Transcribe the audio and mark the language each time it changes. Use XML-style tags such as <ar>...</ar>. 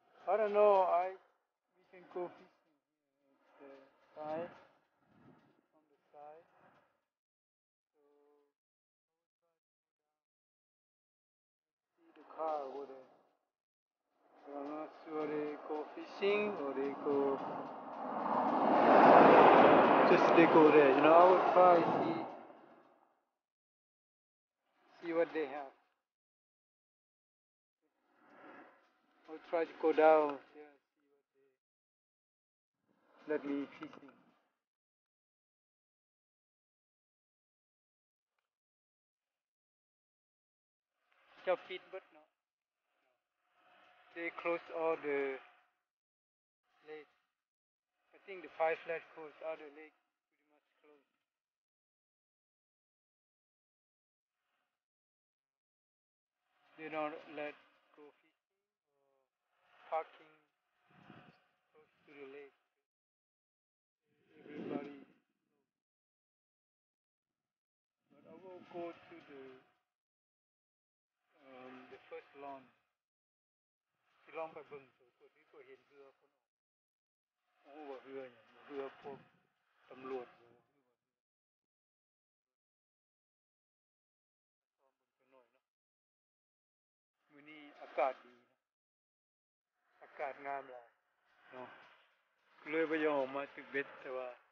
<en>I don't know I we can go fishing the side on the side so try to go down see the car over there. I'm not sure they go fishing or they go just they go there, you know, I would try see what they have. I would try to go down here and see what they let me fishing. They close all the lake. I think the five flat close all the lake pretty much close. They don't let go fishing or parking close to the lake. Everybody knows. But I will go to the first lawn.</en> <th>ลองไปเบิ่งตัวนี้ตัวเห็นเรือคนโอ้ว่าเรือเนี่ยเรือพวกตำรวจอยู่ตอนบนหน่อยเนาะมื้อนี้อากาศดีนะอากาศงามเลยเนาะเลยไปยอมมาตึกเบ็ดแต่ว่า</th>